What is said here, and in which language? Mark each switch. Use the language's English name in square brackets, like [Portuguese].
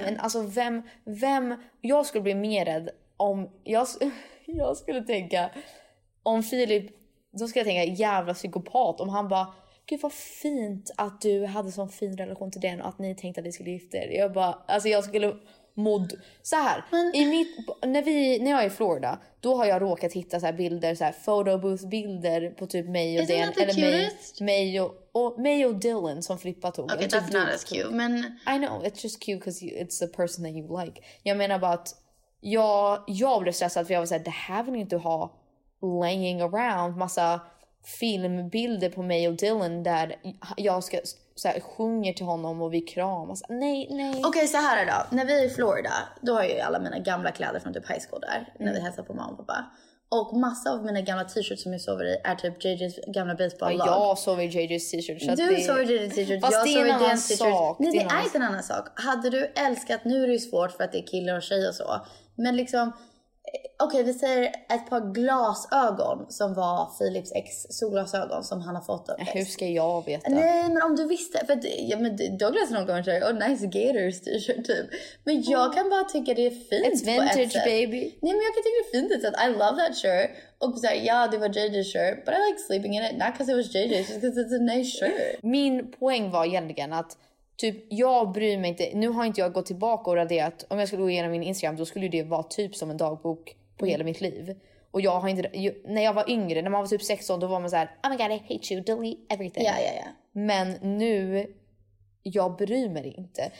[Swedish] Men alltså vem, jag skulle bli mer rädd om, jag skulle tänka, om Filip, då skulle jag tänka, jävla psykopat, om han bara, gud vad fint att du hade sån fin relation till den och att ni tänkte att ni skulle gifta er. Jag bara, alltså jag skulle mod så här. Men... när jag är i Florida, då har jag råkat hitta så här bilder, så här photo booth bilder på typ mig och den, eller mig och Dylan som flippat tog. [English] Okay, that's not as cute. [Swedish] Men [English] I know it's just cute because it's the person that you like. [Swedish] Jag menar bara att jag blev stressad för jag var så här, det här vill ni inte ha [English] laying around [Swedish] massa filmbilder på mig och Dylan där jag ska så här, sjunger till honom och vi kramas. Nej, nej. Okej, okay, så här då. När vi är i Florida, då har jag ju alla mina gamla kläder från typ high school där. Mm. När vi hälsar på mamma och pappa. Och massa av mina gamla t-shirts som jag sover i är typ JJ's gamla baseball-lag. Jag sover i JJ's t-shirt. Så du det... sover i JJ's t-shirt, fast jag sover i den t-shirt. Sak. Nej, det är en annan sak. Hade du älskat, nu är det ju svårt för att det är killar och tjejer och så. Men liksom... Okej, vi säger ett par glasögon som var Philips ex solglasögon som han har fått av ex. Hur ska jag veta? Nej, men om du visste, för att, ja, men Douglas någon gång säger, [English] oh nice gators t-shirt [Swedish] typ. Men jag kan bara tycka det är fint. [English] It's vintage baby. [Swedish] Nej, men jag kan tycka det är fint. Det är att [English] I love that shirt. [Swedish] Och så här, ja, det var [English] JJ's shirt, but I like sleeping in it, not because it was JJ's, just because it's a nice shirt. [Swedish] Min poäng var egentligen att typ, jag bryr mig inte. Nu har inte jag gått tillbaka och raderat. Om jag skulle gå igenom min Instagram, då skulle det vara typ som en dagbok på hela mitt liv. Och jag har inte... när jag var yngre, när man var typ 16, då var man så här, [English] oh my god, I hate you, delete everything. [Swedish] Ja, ja, ja. Men nu, jag bryr mig inte.